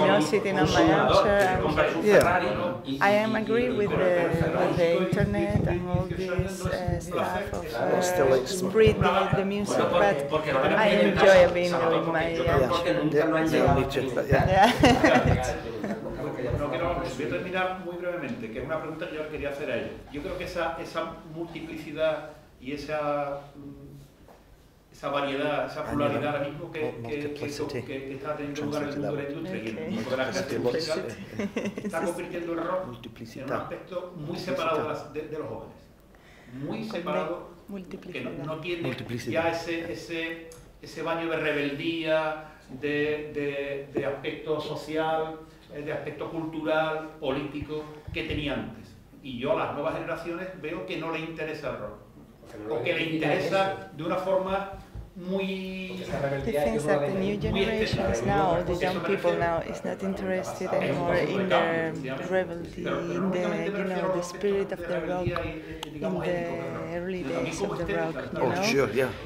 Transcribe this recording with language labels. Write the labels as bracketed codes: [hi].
[en] I am agree with the internet and all this stuff of spreading the music, but I enjoy being with my [es] No, quiero terminar muy brevemente, que es una pregunta que yo quería hacer a ellos. Yo creo que esa multiplicidad y esa variedad, esa pluralidad ahora mismo que está teniendo lugar en el mundo de la industria y en el mundo de la clase musical, está convirtiendo el rock en un aspecto muy separado de los jóvenes. Muy separado, que no tiene ya ese baño de rebeldía, de aspecto social, de aspecto cultural, político, que tenía antes. Y yo a las nuevas generaciones veo que no le interesa el rock. O que le interesa de una forma... [en] He thinks that the new generations now, the young people now, is not interested anymore in the rebellion, in the, you know, the spirit of the rock, in the early days of the rock, you know? Oh, sure, yeah.